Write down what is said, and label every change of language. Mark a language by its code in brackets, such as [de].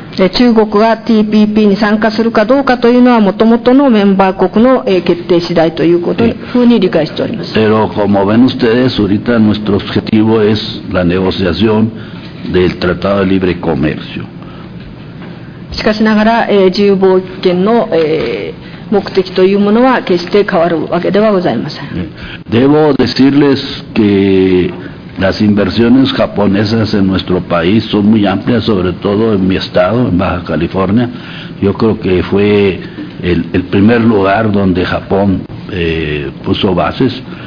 [ja] 中国が TPP に参加するかどうかというのは、もともとのメンバー国の決定次第ということふうに理解しております。 [es] Pero como ven ustedes, ahorita nuestro objetivo es la negociación del Tratado de Libre Comercio. [ja] しかしながら、自由貿易圏の、目的というものは決して変わるわけではございません。 [es] Debo decirles que las inversiones japonesas en nuestro país son muy amplias, sobre todo en mi estado, en Baja California. Yo creo que fue el primer lugar donde Japón, puso bases.